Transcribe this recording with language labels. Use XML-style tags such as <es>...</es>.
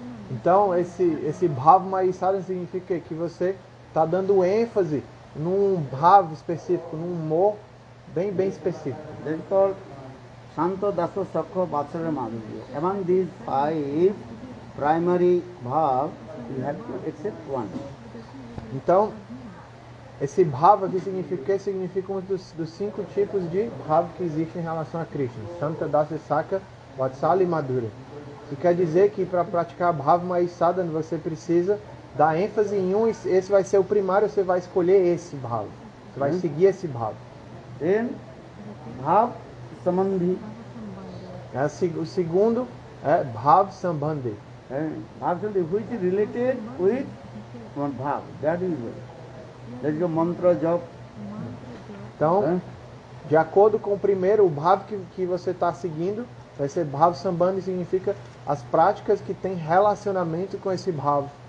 <pt>Então, esse Bhav Mai Sadhana significa que você está dando ênfase num Bhav específico, num humor bem específico.</pt> <en>Then called Santo Daso Sakho Vatsara Madhuri. Among these five primary Bhav, you have to accept one.</en> <pt>Então, esse Bhav aqui significa que significa um dos cinco tipos de Bhav que existem em relação a Krishna. Santo Daso Sakho Vatsara Madhuri. Isso quer dizer que para praticar Bhav Mai Sadhana você precisa dar ênfase em um, esse vai ser o primário, você vai escolher esse Bhav. Você vai seguir esse Bhav.</pt> <en>Then, Bhav Sambandhi.</en> <pt>O segundo é Bhav Sambandhi.</pt> <en>Bhav Sambandhi, which is related with one Bhav. That is it. That is your mantra job.</en> <pt>Então, de acordo com o primeiro, o Bhav que você está seguindo, vai ser Bhav Sambandhi, significa as práticas que têm relacionamento com esse Bhav.</pt>